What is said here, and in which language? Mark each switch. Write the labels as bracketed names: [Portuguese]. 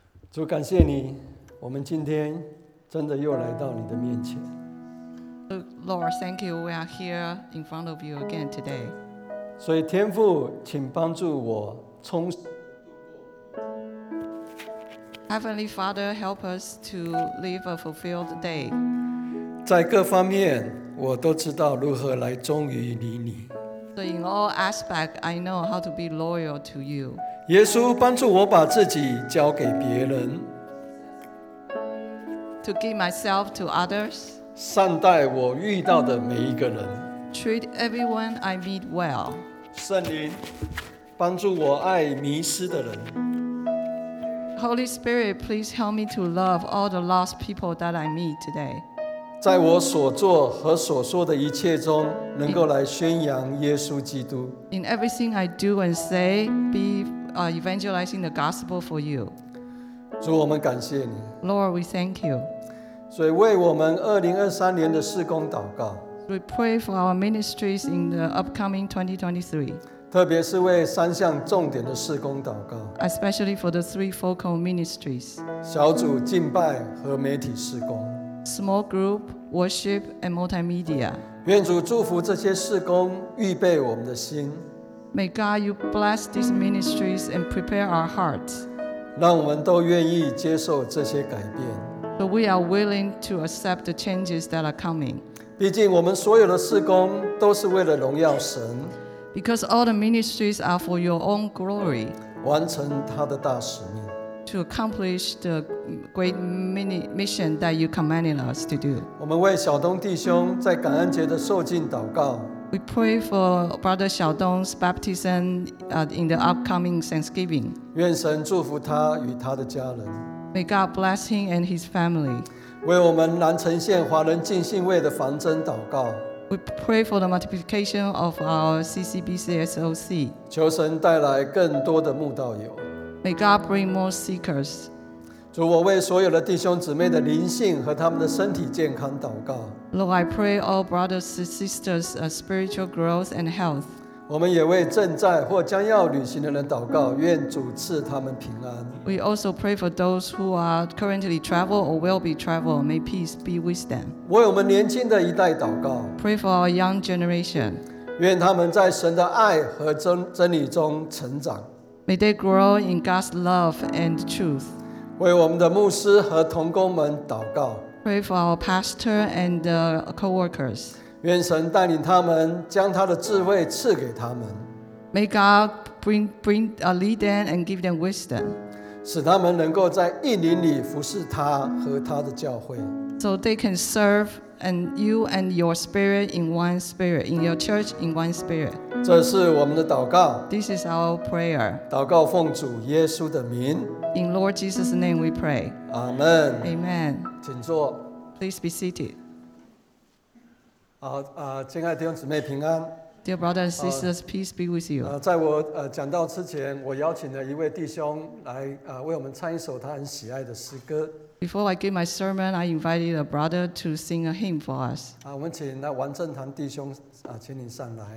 [Chinese] 主，感谢你，我们今天真的又来到你的面前。 [English] Lord, thank you. We are here in front of you again today. [Chinese] 所以天父，请帮助我充。 [English] Heavenly Father, help us to live a fulfilled day. [Chinese] 在各方面，我都知道如何来忠于你。 [English] So in all aspects, I know how to be loyal to you. [Chinese] 耶稣，帮助我把自己交给别人。 [English] To give myself to others. [Chinese] 善待我遇到的每一个人。 [English] Treat everyone I meet well. [Chinese] 圣灵，帮助我爱迷失的人。 [English] Holy Spirit, please help me to love all the lost people that I meet today. [Chinese] 在我所做和所说的一切中，能够来宣扬耶稣基督。 [English] In everything I do and say, be evangelizing the gospel for you. [Chinese] 主，我们感谢你。 [English] Lord, we thank you. [Chinese] 所以为我们2023年的事工祷告。 [English] We pray for our ministries in the upcoming 2023. [Chinese] 特别是为三项重点的事工祷告 [English] ，especially for the three focal ministries， [Chinese] 小组敬拜和媒体事工 [English] ，small group worship and multimedia。 [Chinese] 愿主祝福这些事工，预备我们的心。 [English] May God you bless these ministries and prepare our hearts。 [Chinese] 让我们都愿意接受这些改变。 [English] So we are willing to accept the changes that are coming。 [Chinese] 毕竟我们所有的事工都是为了荣耀神。 [English] Because all the ministries are for your own glory. [Chinese] 完成他的大使命。 [English] To accomplish the great mission that you commanded us to do. [Chinese] 我们为小东弟兄在感恩节的受浸祷告。 [English] We pray for Brother Xiaodong's baptism in the upcoming Thanksgiving. [Chinese] 愿神祝福他与他的家人。 [English] May God bless him and his family. [Chinese] 为我们南城县华人浸信会的房征祷告。 [English] We pray for the multiplication of our CCBCSOC. [Chinese] 求神带来更多的慕道友。 [English] May God bring more seekers. [Chinese] 主，我为所有的弟兄姊妹的灵性和他们的身体健康祷告。 [English] Lord, I pray all brothers and sisters spiritual growth and health. [Chinese] 我们也为正在或将要旅行的人祷告，愿主赐他们平安。 [English] We also pray for those who are currently travel or will be travel. May peace be with them. [Chinese] 为我们年轻的一代祷告。 [English] Pray for our young generation. [Chinese] 愿他们在神的爱和真理中成长。 [English] May they grow in God's love and truth. [Chinese] 为我们的牧师和同工们祷告。 [English] Pray for our pastor and co-workers. [Chinese] 愿神带领他们，将他的智慧赐给他们。 [English] May God lead them and give them wisdom， [Chinese] 使他们能够在义理里服侍他和他的教会。 [English] So they can serve and you and your spirit in one spirit, in your church in one spirit。 [Chinese] 这是我们的祷告。 [English] This is our prayer。 [Chinese] 祷告奉主耶稣的名。 [English] In Lord Jesus' name we pray。 Amen。 Amen。 [Chinese] 请坐。 [English] Please be seated。 [Chinese] 亲爱的弟兄姊妹平安。 [English] Dear brothers and sisters, peace be with you. [Chinese] 在我讲道之前，我邀请了一位弟兄来为我们唱一首他很喜爱的诗歌。 [English] Before I give my sermon, I invited a brother to sing a hymn for us. [Chinese] 我们请那王正堂弟兄请您上来。